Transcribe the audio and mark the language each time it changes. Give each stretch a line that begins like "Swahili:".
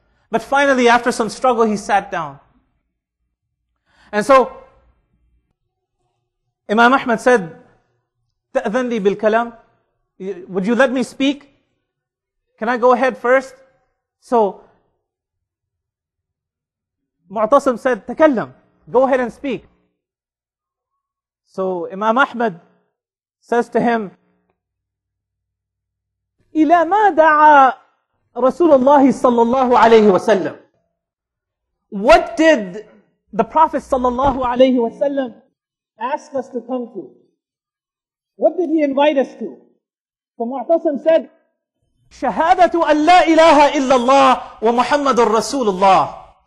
English: But finally, after some struggle, he sat down. And so, Imam Ahmad said,
Arabic: "تأذن لي بالكلام?
English: Would you let me speak? Can I go ahead first?" So, Mu'tasim said,
Arabic: "تكلم,
English: go ahead and speak." So, Imam Ahmad says to him,
Arabic: إلى ما دعا رسول الله صلى الله عليه وسلم?
English: What did the Prophet sallallahu alayhi wa sallam asked us to come to? What did he invite us to? So Mu'tasim said,
Arabic: Shahadatu an la ilaha illallah wa Muhammadur Rasulullah.